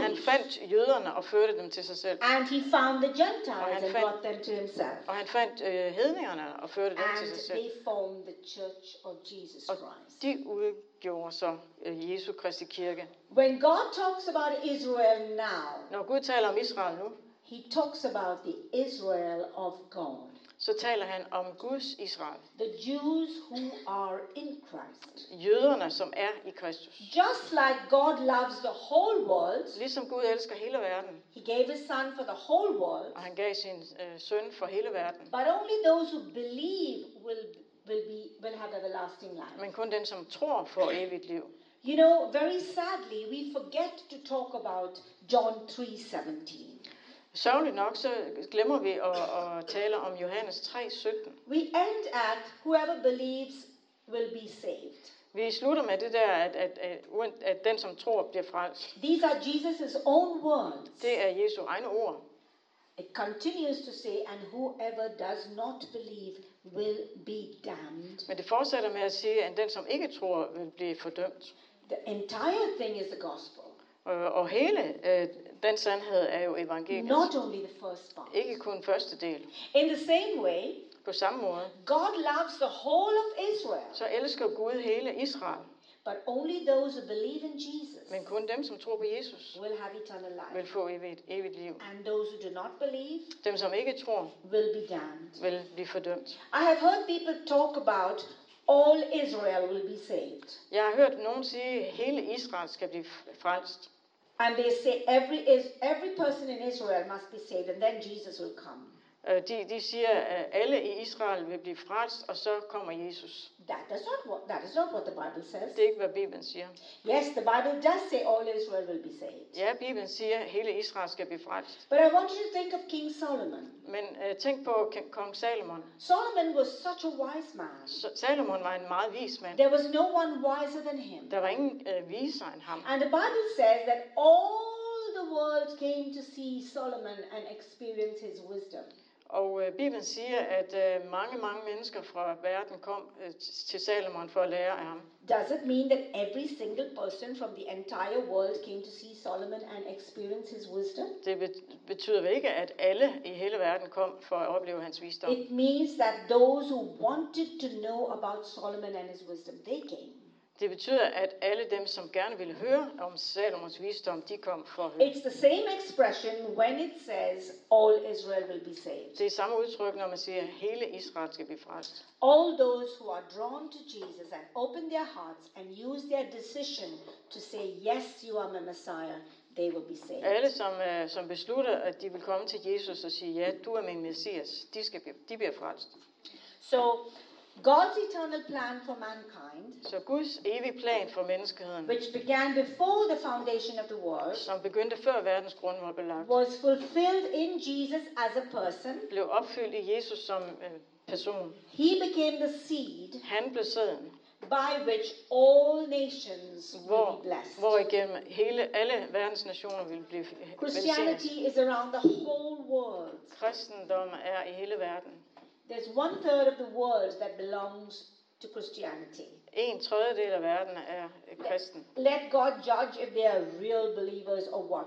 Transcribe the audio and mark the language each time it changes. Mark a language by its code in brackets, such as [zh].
[da] Han fandt jøderne og førte dem til sig selv. [en] And he found the Gentiles and brought them to himself. [da] Og han fandt hedningerne og førte dem [en] and [da] til sig selv. [en] And they formed the Church of Jesus Christ. [da] Og de udgjorde så Jesu Kristi kirke. [en] When God talks about Israel now. [da] Når Gud taler om Israel nu. [en] He talks about the Israel of God. [da] Så taler han om Guds Israel. [en] The Jews who are in Christ. [da] Jøderne, som er i Kristus. [en] Just like God loves the whole world. [da] Ligesom Gud elsker hele verden. [en] He gave his son for the whole world. [da] Og han gav sin søn for hele verden. [en] But only those who believe will have everlasting life. [da] Men kun den, som tror, får evigt liv. [en] You know, very sadly, we forget to talk about John 3:17. [da] Sørgeligt nok, så glemmer vi at tale om Johannes 3:17. [en] We end at whoever believes will be saved. [da] Vi slutter med det der, at den som tror bliver frelst. [en] These are Jesus' own words. [da] Det er Jesu egne ord. [en] It continues to say, and whoever does not believe will be damned. [da] Men det fortsætter med at sige, at den som ikke tror vil blive fordømt. [en] The entire thing is the gospel. [da] Og hele den sandhed er jo evangeliet. [en] Not only the first part. [da] Ikke kun første del. [en] In the same way. [da] På samme måde. [en] God loves the whole of Israel. [da] Så elsker Gud hele Israel. [en] But only those who believe in Jesus. [da] Men kun dem som tror på Jesus. [en] Will have eternal life. [da] Vil få evigt liv. [en] And those who do not believe. [da] Dem som ikke tror. [en] Will be damned. [da] Vil blive fordømt. [en] I have heard people talk about all Israel will be saved. [da] Jeg har hørt nogen sige hele Israel skal blive frelst. [en] And they say every person in Israel must be saved and then Jesus will come. [da] De siger alle i Israel vil blive frelst og så kommer Jesus. [en] That is not what the Bible says. [da] Det er ikke hvad Bibelen siger. [en] Yes, the Bible does say all Israel will be saved. [da] Ja, Bibelen siger hele Israel skal blive frelst. [en] But I want you to think of King Solomon. [da] Men tænk på kong Salomon. [en] Solomon was such a wise man. [da] Salomon var en meget vis mand. [en] There was no one wiser than him. [da] Der var ingen visere end ham. [en] And the Bible says that all the world came to see Solomon and experience his wisdom. [da] Og Bibelen siger, at mange mennesker fra verden kom til Salomon for at lære af ham. [en] Does it mean that every single person from the entire world came to see Solomon and experience his wisdom? [da] Det betyder vel ikke, at alle i hele verden kom for at opleve hans visdom. [en] It means that those who wanted to know about Solomon and his wisdom, they came. [da] Det betyder, at alle dem, som gerne ville høre om Salomons visdom, de kom for at høre. [en] It's the same expression when it says all Israel will be saved. [da] Det er samme udtryk, når man siger, at hele Israel skal blive frelst. [en] All those who are drawn to Jesus and open their hearts and use their decision to say, yes, you are my Messiah, they will be saved. [da] Alle, som beslutter, at de vil komme til Jesus og sige, ja, du er min Messias, de bliver frelst. [en] So, God's eternal plan for mankind. [da] Så Guds evige plan for menneskeheden. [en] Which began before the foundation of the world. [da] Som begyndte før verdens grund var belagt. [en] Was fulfilled in Jesus as a person. [da] Blev opfyldt i Jesus som person. [en] He became the seed. [da] Han blev sæden. [en] By which all nations will be blessed. [da] Hvor igennem alle verdens nationer vil blive velsignet. [en] Christianity is around the whole world. [da] Kristendom er i hele verden. [en] There's one third of the world that belongs to Christianity. [da] En tredjedel af verden er kristen. [en] Let God judge if they are real believers or what.